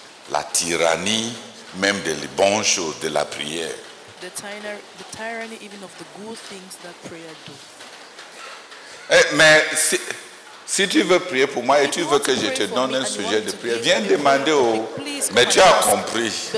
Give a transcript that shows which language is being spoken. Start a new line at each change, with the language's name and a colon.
French: La tyrannie même des bonnes choses de la prière.
English: The tyranny even of the good things that prayer do.
French: Mais si tu veux prier pour moi et tu veux que je te donne un sujet de prière, viens demander au... Mais tu as compris.